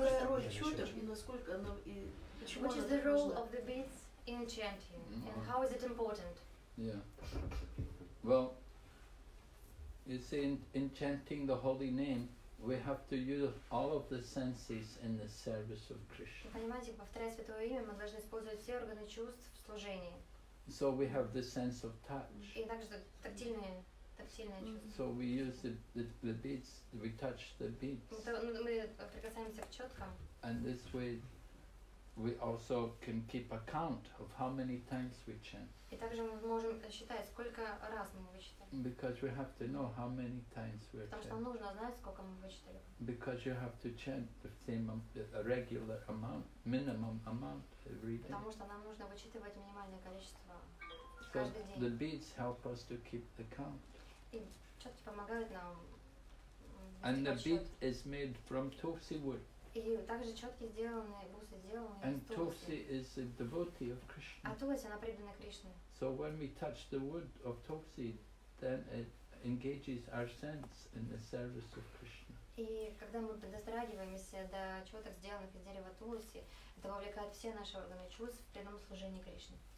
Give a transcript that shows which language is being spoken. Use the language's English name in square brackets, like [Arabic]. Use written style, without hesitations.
[English] What is the role of the beats in chanting, and how is it important? Yeah. Well, you see, in chanting the holy name, we have to use all of the senses in the service of Krishna. [Russian] Понимаете, повторяя святое имя, мы должны использовать все органы чувств в служении. [English] So we have the sense of touch. [Russian] И также тактильные чувства. [English] So we use the beads, we touch the beads. [Russian] Мы прикасаемся к четкам. [English] And this way we also can keep account of how many times we chant. [Russian] И также мы можем считать, сколько раз мы вычитали. [English] Because we have to know how many times we chant. [Russian] Потому что нужно знать, сколько мы вычитали. [English] Because you have to chant the same regular amount, minimum amount every day. [Russian] Потому что нам нужно вычитывать минимальное количество [English] so [Russian] каждый день. [English] The beads help us to keep the count. [Russian] И чётки помогают нам. [English] And the bead is made from tofsi wood. [Russian] И также чётки сделаны, бусы сделаны. [English] And tofsi is a devotee of Krishna. [Russian] А тофси она преданная Кришне. [English] So when we touch the wood of tofsi, then it engages our sense in the service of Krishna. [Russian] И когда мы подостраиваемся до чёток, сделанных из дерева тофси, это вовлекает все наши органы чувств в преданном служении Кришне.